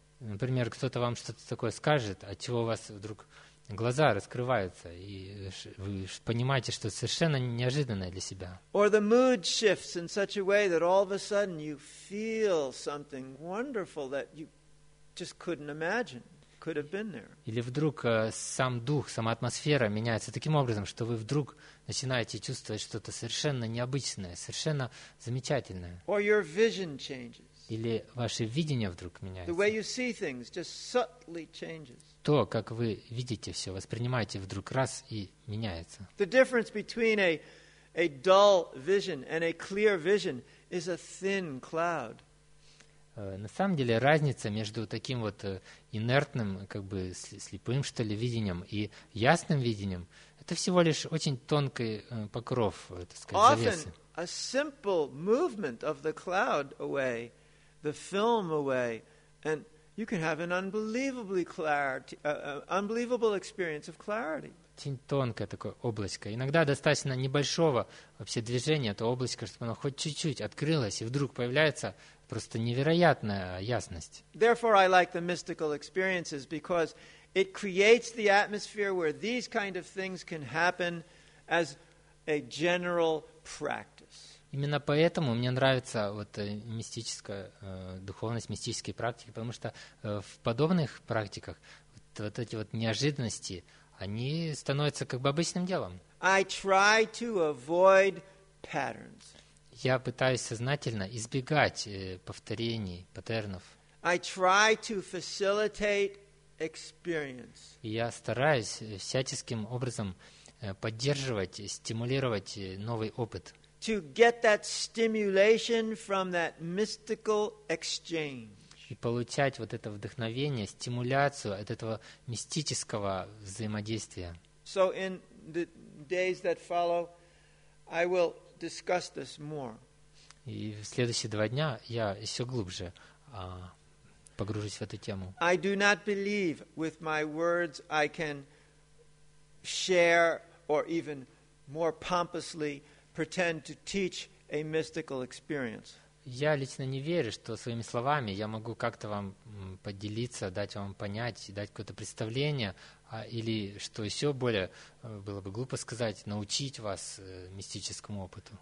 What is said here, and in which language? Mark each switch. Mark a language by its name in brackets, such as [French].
[Russian] Например, кто-то вам что-то такое скажет, от чего у вас вдруг глаза раскрываются, и вы понимаете, что это совершенно неожиданное для себя. [English] Or the mood shifts in such a way that all of a sudden you feel something wonderful that you just couldn't imagine could have been there. [Russian] Или вдруг сам дух, сама атмосфера меняется таким образом, что вы вдруг начинаете чувствовать что-то совершенно необычное, совершенно замечательное. [English] Or your vision changes. [Russian] Или ваше видение вдруг меняется. [English] The way you see things just subtly changes. [Russian] То, как вы видите все, воспринимаете вдруг раз и меняется. [English] The difference between a dull vision and a clear vision is a thin cloud. [Russian] На самом деле разница между таким вот инертным, как бы слепым, что ли, видением и ясным видением – это всего лишь очень тонкий покров, так сказать, завесы. [English] Often a simple movement of the cloud away, the film away, and you can have an unbelievably clarity, unbelievable experience of clarity. [Russian] Очень тонкая такая облачко. Иногда достаточно небольшого вообще движения, то облачко, чтобы оно хоть чуть-чуть открылось, и вдруг появляется просто невероятная ясность. [English] Therefore, I like the mystical experiences because it creates the atmosphere where these kind of things can happen as a general practice. [Russian] Именно поэтому мне нравится вот мистическая духовность, мистические практики, потому что в подобных практиках вот эти вот неожиданности, они становятся как бы обычным делом. [English] I try to avoid patterns. [Russian] Я пытаюсь сознательно избегать повторений, паттернов. [English] I try to facilitate experience. [Russian] Я стараюсь всяческим образом поддерживать, стимулировать новый опыт. [English] To get that stimulation from that mystical exchange. [Russian] И получать вот это вдохновение, стимуляцию от этого мистического взаимодействия. [English] So in the days that follow, I will discuss this more. [Russian] И в следующие два дня я еще глубже погружусь в эту тему. [English] I do not believe with my words I can share or even more pompously pretend to teach a mystical experience. [Russian] Я лично не верю, что своими словами я могу как-то вам поделиться, дать вам понять, дать какое-то представление, или, что еще более, было бы глупо сказать, научить вас мистическому опыту.